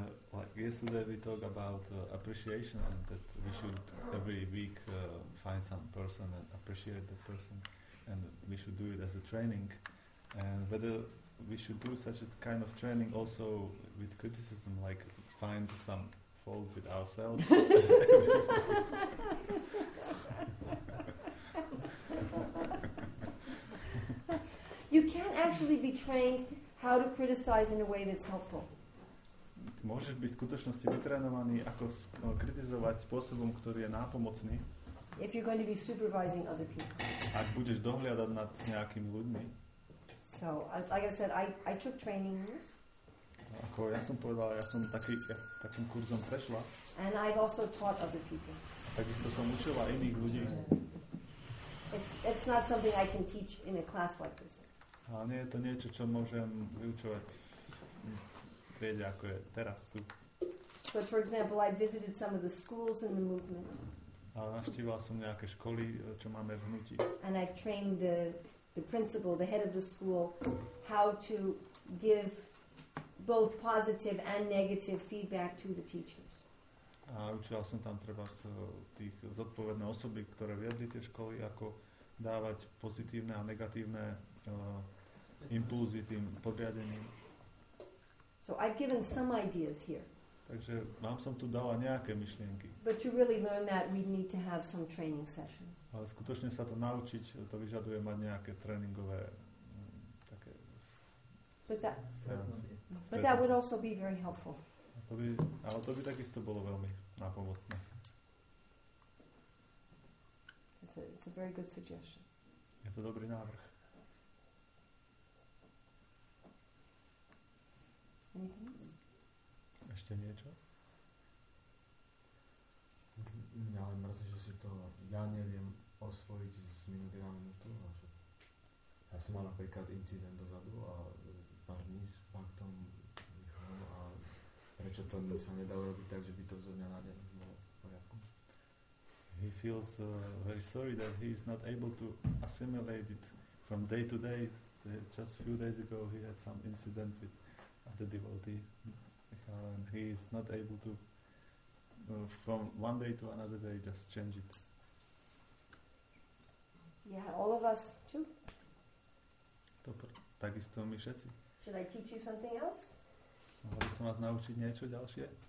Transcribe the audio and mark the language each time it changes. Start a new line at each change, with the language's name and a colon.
English: Like yesterday we talked about appreciation and that we should every week find some person and appreciate that person and we should do it as a training, and whether we should do such a kind of training also with criticism, like find some fault with ourselves. You can't actually be trained how to criticize in a way that's helpful.
Slovak: Môžeš byť v skutočnosti vytrénovaný, ako kritizovať spôsobom, ktorý je nápomocný.
English: If you're going to be supervising other people.
Slovak: Ak budeš dohliadať nad nejakými ľuďmi.
English: So, like I said, I took training.
Slovak: Ako ja som povedal, ja som takým kurzom prešla.
English: And I've also taught other people.
Slovak: Takisto som učila iných ľudí.
English: It's not something I can teach in a class like this.
Slovak: Ale nie je to niečo, čo môžem vyučovať priede, ako je teraz tu.
English: But for example, I visited some of the schools in the movement.
Slovak: Ale navštívala som nejaké školy, čo máme v hnutí.
English: And I've trained the principal, the head of the school, how to give both positive and negative feedback to the teachers.
Slovak: A učila som tam treba tých zodpovedné osoby, ktoré viedli tie školy, ako dávať pozitívne a negatívne impulzy tým podriadeným.
English: So I've given some ideas here.
Slovak: Takže vám som tu dala nejaké myšlienky.
English: But to really learn that we need to have some training sessions.
Slovak: Ale skutočne sa to naučiť, to vyžaduje mať nejaké tréningové také.
English: But that would also be very helpful.
Slovak: Ale to by takisto bolo veľmi napomocné.
English: It's a very good suggestion.
Slovak: Je to dobrý návrh. Mm-hmm. Ešte niečo? Mňa len mrzí, že si to ja neviem osvojiť z minúty na minútu. Ja som mal napríklad incident dozadu a pár dní s faktom vychom a prečo to sa nedalo robiť tak, že by to zo dňa na deň bolo v poriadku.
English: He feels very sorry that he is not able to assimilate it from day to day. Just few days ago he had some incident with the devotee, and he is not able to from one day to another day just change it. Yeah, all of us too.
Slovak: Dobre, takisto my všetci.
English: Should I teach you something else?
Slovak: Mohol by som vás naučiť niečo ďalšie?